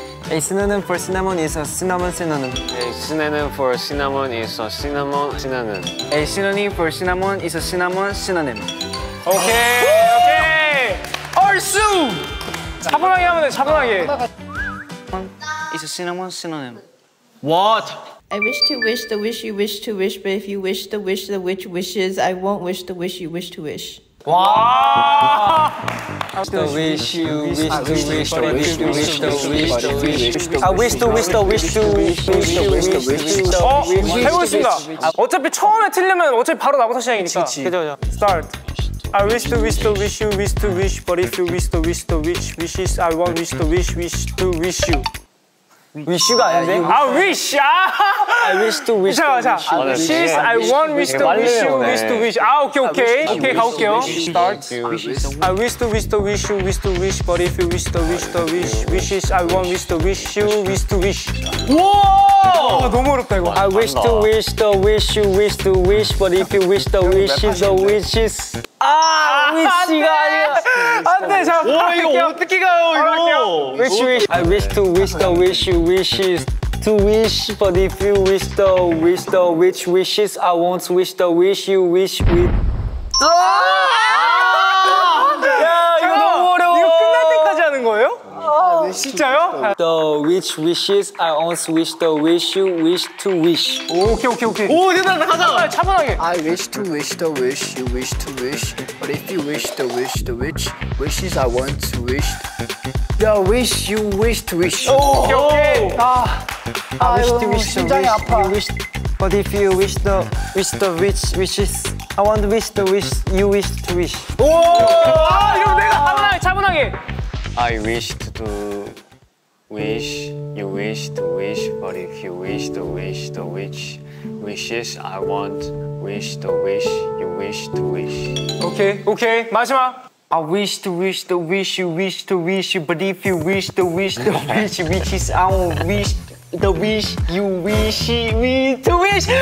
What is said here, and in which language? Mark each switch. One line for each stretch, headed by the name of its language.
English: A synonym for cinnamon is a cinnamon synonym. A synonym for cinnamon is a cinnamon synonym. A synonym for cinnamon is a cinnamon synonym.
Korean: 오케이, 오케이. 얼쑤! 차분하게 하면 돼, 차분하게.
English: It's a cinnamon synonym. What? I wish to wish the wish you wish to wish, but if you wish the wish the witch wishes, I won't wish the wish you wish to wish.
Korean: 와!
English: The wish you wish to wish, the wish to wish, the wish to wish. I wish to wish, the wish to wish, the wish to wish.
Korean: 어, 해보겠습니다. 어차피 처음에 틀리면 어차피 바로 나고 사시니까. 그죠, 그죠.
English: Start. I wish to wish to wish you wish to wish, but if you wish to wish the wish wishes, I won't wish to wish wish to wish you. Wish you
Korean: 가 아닌데?
English: 아, wish! I wish to wish the wish. 잠깐만, I won't wish to wish you wish to wish.
Korean: 아, 오케이, 오케이. 오케이, 가볼게요.
English: Start. I wish to wish to wish you wish to wish, but if you wish to wish the wish wishes, I won't wish to wish you wish to wish.
Korean: 우와! 아, 너무 어렵다, 이거.
English: I wish to wish the wish you wish to wish, but if you wish the wishes, the wishes.
Korean: 아, 위치가 아니야. 안 돼, 잠깐만. 와, 이거 어떻게 가요, 이거.
English: Wish wish. I wish to wish the wish you wishes to wish, but if you wish the witch wishes, I won't wish the wish you wish with.
Korean: 아! 야, 이거 너무 어려워. 이거 끝날 때까지 하는 거예요? 진짜요?
English: The witch wishes, I won't wish the wish you wish to wish.
Korean: 오케이, 오케이, 오케이. 오, 됐다, 가자. 빨리, 차분하게.
English: I wish to wish the wish you wish to wish, but if you wish the wish the witch wishes, I want to wish the wish you wish to wish.
Korean: 오, 오케이, 오케이. 아, 아유, 심장이 아파.
English: But if you wish the witch wishes, I want to wish the wish you wish to wish.
Korean: 오, 아, 이거 내가 차분하게, 차분하게.
English: I wish to do wish, you wish to wish, but if you wish to wish the wish, wishes I want, wish to wish, you wish to wish. Okay, okay, 마지막. I wish to wish the wish, you wish to wish, but if you wish to wish the wish, wishes I want, wish the wish, you wish me to wish.